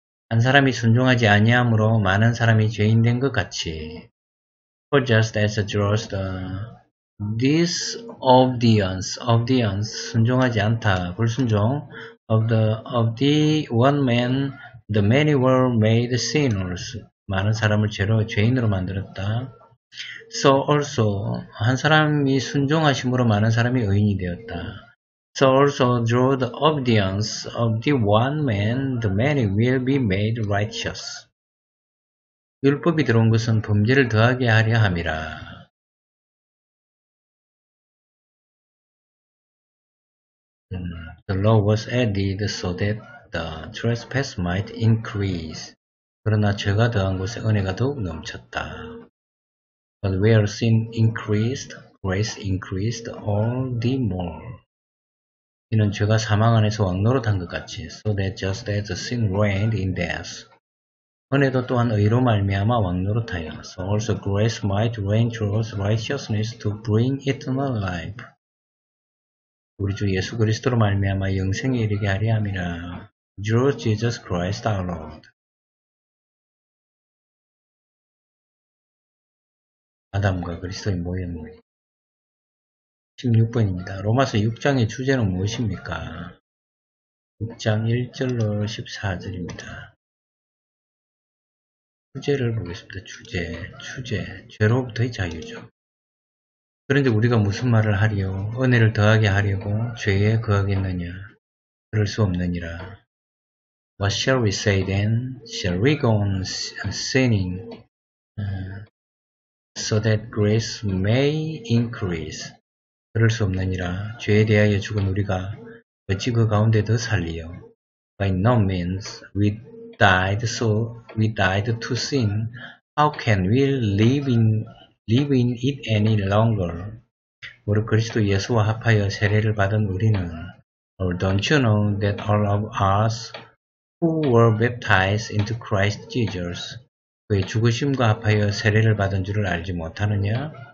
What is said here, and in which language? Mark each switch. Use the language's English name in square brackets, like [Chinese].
[Korean] 한 사람이 순종하지 아니함으로 많은 사람이 죄인 된 것 같이 [English] For just as draws the disobedience, 순종하지 않다, 불순종, of the one man, the many were made sinners, [Korean] 많은 사람을 죄인으로 만들었다. [English] So also, [Korean] 한 사람이 순종하심으로 많은 사람이 의인이 되었다. [English] So also, through the obedience of the one man, the many will be made righteous. [Korean] 율법이 들어온 것은 범죄를 더하게 하려 함이라. [English] 음, the law was added so that the trespass might increase. [Korean] 그러나 죄가 더한 곳에 은혜가 더욱 넘쳤다. [English] But where sin increased, grace increased all the more. [Korean] 이는 죄가 사망 안에서 왕노릇한 것 같이 [English] so that just as sin reigned in death. [Korean] 은혜도 또한 의로 말미암아 왕노릇하여 [English] so also grace might reign through righteousness to bring eternal life [Korean] 우리 주 예수 그리스도로 말미암아 영생에 이르게 하려 함이라 [English] through Jesus Christ our Lord [Korean] 아담과 그리스도의 모형물 16번입니다 로마서 6장의 주제는 무엇입니까? 6장 1절로 14절입니다 주제를 보겠습니다. 주제. 죄로부터의 자유죠. 그런데 우리가 무슨 말을 하리요? 은혜를 더하게 하려고 죄에 거하겠느냐? 그럴 수 없느니라. [English] What shall we say then? Shall we go on sinning so that grace may increase? [Korean] 그럴 수 없느니라. 죄에 대하여 죽은 우리가 어찌 그 가운데 더 살리요? [English] By no means we died so we died to sin how can we live in it any longer [Korean] 우리 그리스도 예수와 합하여 세례를 받은 우리는 [English] or don't you know that all of us who were baptized into Christ Jesus [Korean] 그의 죽으심과 합하여 세례를 받은 줄을 알지 못하느냐